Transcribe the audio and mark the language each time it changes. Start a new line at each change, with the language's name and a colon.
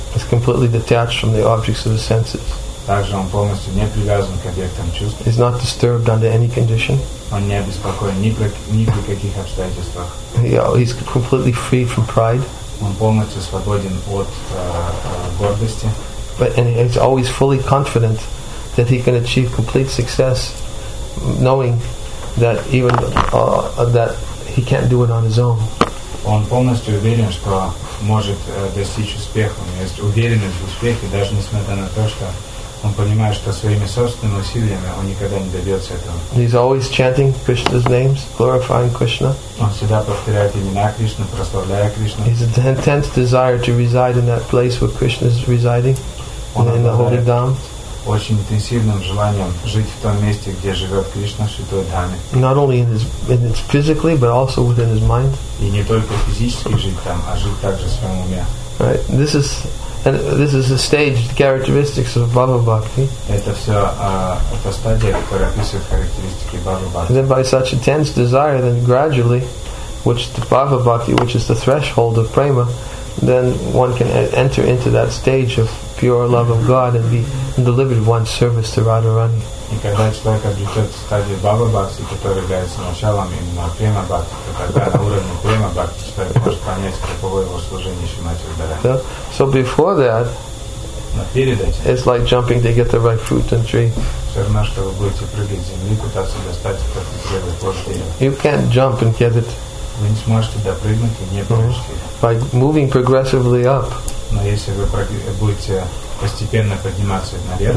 English: It's completely detached from the objects of the senses.
Russian: Также он полностью не привязан к объектам чувств.
English: He's not disturbed under any condition.
Russian: Он не обеспокоен ни при каких обстоятельствах.
English: He's completely free from pride.
Russian: Он полностью свободен от гордости.
English: But and he's always fully confident that he can achieve complete success, knowing that even that he can't do it on his own.
Russian: Он полностью уверен, что может достичь успеха. Есть уверенность в успехе, даже несмотря на то, что он понимает, что своими собственными усилиями он никогда не добьется этого.
English: He's always chanting Krishna's names, glorifying Krishna.
Russian: Он всегда повторяет имена Кришны, прославляя Кришну.
English: His intense desire to reside in that place where Krishna is residing, in the holy dham.
Russian: Очень интенсивным желанием жить в том месте, где живет Кришна, в святой дхаме.
English: Not only in his physically, but also within his mind.
Russian: И не только физически жить там, а жить также в своем уме.
English: Right. This is the stage, the characteristics of Bhava Bhakti.
Russian: Это стадия, которая описывает характеристики Bhava Bhakti.
English: And then by such intense desire, then gradually, which the Bhava Bhakti, which is the threshold of prema, then one can enter into that stage of pure love of God and be delivered one's service to Radharani.
Russian: И когда человек обретет стадию Бхава Бхакти, которая является началом именно према бхакти, то тогда на уровне према бхакти человек может понять, каково его служение Шримати Радхарани.
English: So before that, it's like jumping to get the right fruit and tree.
Russian: Все равно, что вы будете прыгать с земли, пытаться достать какой-то первый плод дерева.
English: You can't jump and get it.
Russian: Вы не сможете допрыгнуть и не получите.
English: By moving progressively up.
Russian: Но если вы будете постепенно подниматься наверх,